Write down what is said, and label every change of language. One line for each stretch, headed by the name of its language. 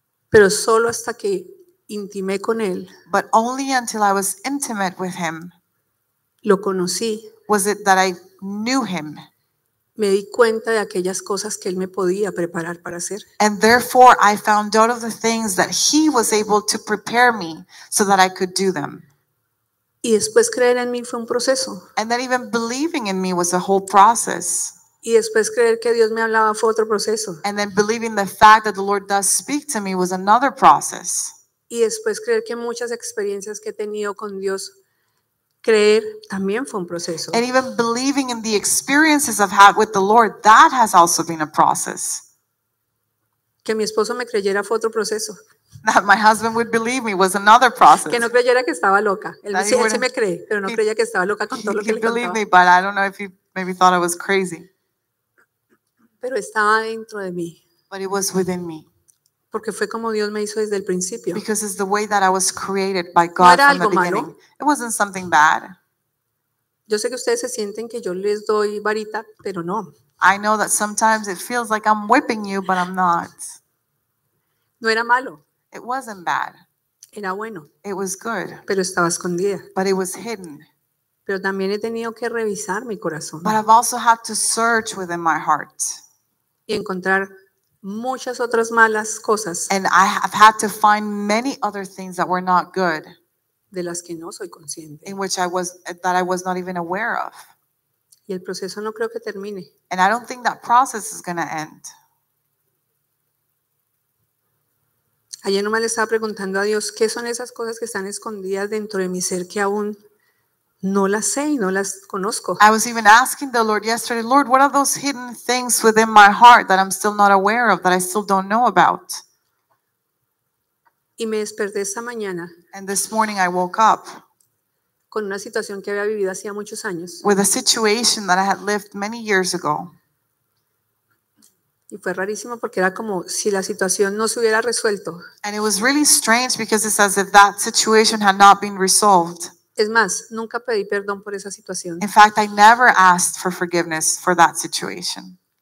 Spanish: Pero solo hasta que intimé con él.
English: But only until I was intimate with him.
Spanish: Lo conocí.
English: Was it that I knew him.
Spanish: Me di cuenta de aquellas cosas que él me podía preparar para hacer.
English: And therefore I found out of the things that he was able to prepare me so that I could do them.
Spanish: Y después creer en mí fue un proceso.
English: And then even believing in me was a whole process.
Spanish: Y después creer que Dios me hablaba fue otro proceso.
English: And then believing the fact that the Lord does speak to me was another process.
Spanish: Y después creer que muchas experiencias que he tenido con Dios, creer también fue un proceso.
English: And even believing in the experiences I've had with the Lord, that has also been a process.
Spanish: Que mi esposo me creyera fue otro proceso.
English: That my husband would believe me was another process.
Spanish: Que no creyera que estaba loca. Él sí me cree, pero no creía que estaba loca con todo lo que le contaba.
English: He believed me, but I don't know if he maybe thought I was crazy.
Spanish: Pero estaba dentro de mí.
English: But it was within me.
Spanish: Porque fue como Dios me hizo desde el principio.
English: Because it's the way that I was created by God from the beginning.
Spanish: No era algo malo.
English: It wasn't something bad.
Spanish: Yo sé que ustedes se sienten que yo les doy varita, pero no.
English: I know that sometimes it feels like I'm whipping you, but I'm not.
Spanish: No era malo.
English: It wasn't bad.
Spanish: Era bueno.
English: It was good.
Spanish: Pero estaba escondida.
English: But it was hidden.
Spanish: Pero también he tenido que revisar mi corazón.
English: But I've also had to search within my heart.
Spanish: Y encontrar muchas otras malas cosas.
English: And I have had to find many other things that were not good.
Spanish: De las que no soy consciente.
English: In which I was, that I was not even aware of.
Spanish: Y el proceso no creo que termine.
English: And I don't think that process is going to end.
Spanish: Ayer nomás le estaba preguntando a Dios, ¿qué son esas cosas que están escondidas dentro de mi ser que aún no las sé y no las conozco?
English: I was even asking the Lord yesterday, Lord, what are those hidden things within my heart that I'm still not aware of, that I still don't know about?
Spanish: Y me desperté esta mañana.
English: And this morning I woke up.
Spanish: con una situación que había vivido hacía muchos años.
English: With a situation that I had lived many years ago.
Spanish: Y fue rarísimo porque era como si la situación no se hubiera resuelto.
English: And it was really strange because it's as if that situation had not been resolved.
Spanish: Es más, nunca pedí perdón por esa situación.
English: In fact, I never asked for forgiveness for that situation.